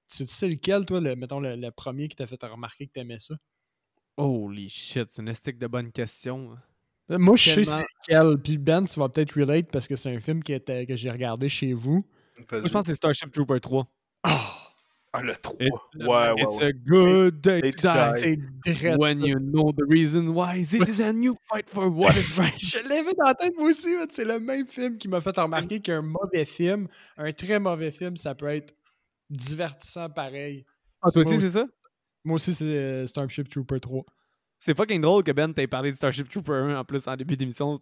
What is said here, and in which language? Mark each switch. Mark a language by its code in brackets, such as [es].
[fr] Tu sais lequel, toi, le premier qui t'a fait remarquer que t'aimais ça? [en] Holy shit, [fr] c'est une esthétique de bonne question. Moi, tellement... je sais c'est lequel. Puis Ben, tu vas peut-être relate parce que c'est un film que j'ai regardé chez vous. Moi, je pense que c'est Starship Trooper 3. Oh. Ah, le 3. [en] It's a good day to die. [fr] C'est drôle. [en] When you know the reason why. It is a new fight for what is right. [fr] Je l'avais dans la tête, moi aussi. Mais c'est le même film qui m'a fait remarquer qu'un mauvais film, un très mauvais film, ça peut être divertissant pareil. Ah, toi aussi, c'est ça? Moi aussi, c'est Starship Trooper 3. C'est fucking drôle que Ben t'ait parlé de Starship Trooper 1 en plus en début d'émission.